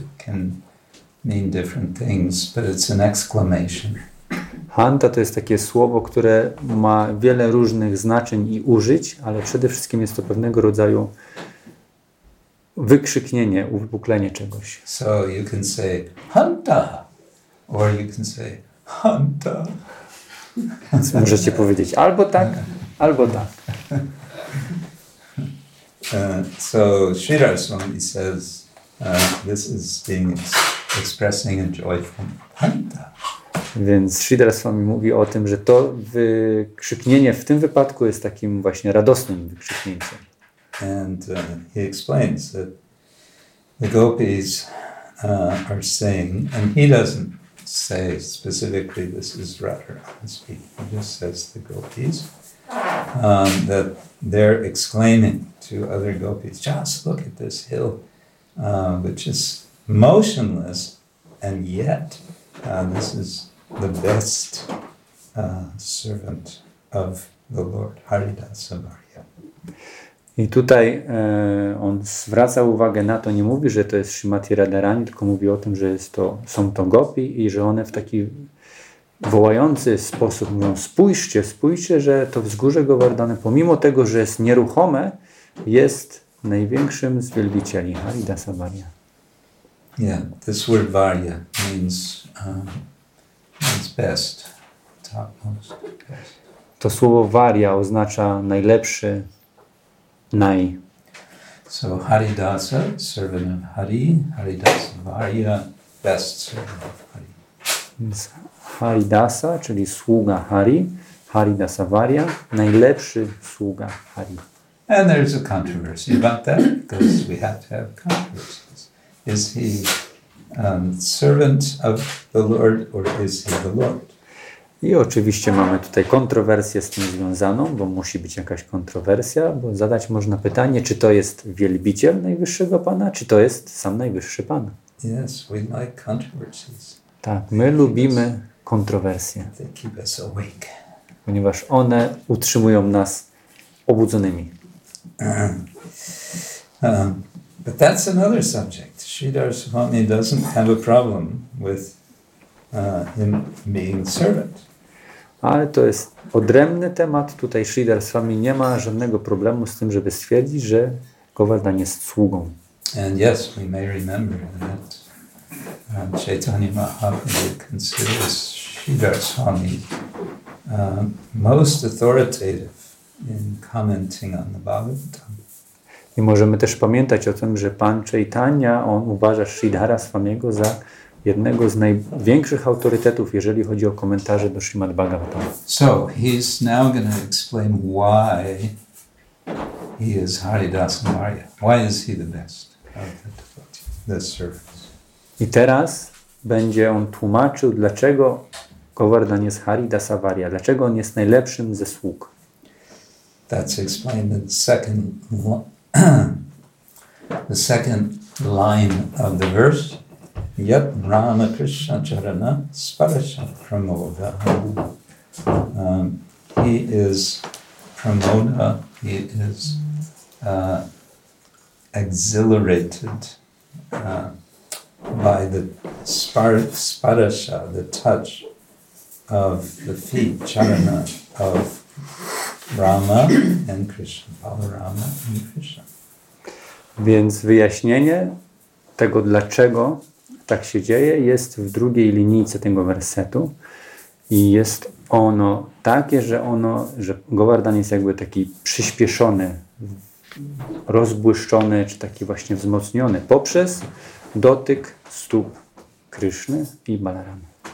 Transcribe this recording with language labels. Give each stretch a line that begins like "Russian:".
English: It can mean different things, but it's an exclamation.
Polish: Hanta to jest takie słowo, które ma wiele różnych znaczeń i użyć, ale przede wszystkim jest to pewnego rodzaju wykrzyknienie, uwypuklenie czegoś.
English: So you can say hanta, or you can say hanta.
Polish: Możecie powiedzieć albo tak, albo tak.
English: So Sridhar Swami says this is being expressing a joyful hanta.
Polish: Więc Sridhar Swami mówi o tym, że to wykrzyknienie w tym wypadku jest takim właśnie radosnym wykrzyknięciem.
English: And he explains that the gopis are saying, and he doesn't say specifically this is Radharani speaking, he just says the gopis, that they're exclaiming to other gopis, just look at this hill, which is motionless, and yet this is the best servant of the Lord, Haridasa Bharya.
Polish: I tutaj on zwraca uwagę na to, nie mówi, że to jest Srimati Radharani, tylko mówi o tym, że są to gopi i że one w taki wołający sposób mówią, spójrzcie, że to wzgórze Gowardhana, pomimo tego, że jest nieruchome, jest największym z wielbicieli Haridasa Bharya.
English: Yeah, this word Varya means means best, topmost.
Polish: To słowo Varya oznacza najlepszy, naj.
English: So Haridasa, servant of Hari, Haridasa Varya, best servant of Hari.
Polish: Haridasa, czyli sługa Hari, Haridasa Varya, najlepszy sługa Hari.
English: And there's a controversy about that, because we have to have controversies. Is he servant of the Lord, or is he the Lord?
Polish: I oczywiście mamy tutaj kontrowersję z tym związaną, bo musi być jakaś kontrowersja, bo zadać można pytanie, czy to jest wielbiciel Najwyższego Pana, czy to jest sam Najwyższy Pan.
English: Yes, we like controversies.
Polish: Tak, my lubimy kontrowersje.
English: They keep us awake.
Polish: Ponieważ one utrzymują nas obudzonymi.
English: But that's another subject. Sridhar Swami doesn't have a problem with him being servant.
Polish: Ale to jest odrębny temat. Tutaj Sridhar Swami nie ma żadnego problemu z tym, żeby stwierdzić, że Govardhan jest sługą.
English: And yes, we may remember that Chaitanya Mahaprabhu considers Sridhar Swami most authoritative in commenting on the Bhagavatam.
Polish: I możemy też pamiętać o tym, że Pan Chaitanya, on uważa Sridhara Swamiego za jednego z największych autorytetów, jeżeli chodzi o komentarze do Srimad Bhagavatam.
English: So, he's now going to explain why he is Haridasa Bharya. Why is he the best of the servants?
Polish: I teraz będzie on tłumaczył, dlaczego Govardhan jest Haridasa Bharya, dlaczego on jest najlepszym ze sług.
English: That's explained in the second one. The second line of the verse,
Sanskrit: Yat Rama Krishna Charana Sparsha Pramoda.
English: He is Pramoda, he is exhilarated by the Sparsha, the touch of the feet, Charana, of Rama and Krishna, Balarama and Krishna.
Polish: Więc wyjaśnienie tego, dlaczego tak się dzieje, jest w drugiej linijce tego wersetu. I jest ono takie, że Govardhan jest jakby taki przyspieszony, rozbłyszczony, czy taki właśnie wzmocniony poprzez dotyk stóp Kryszny i Balarama.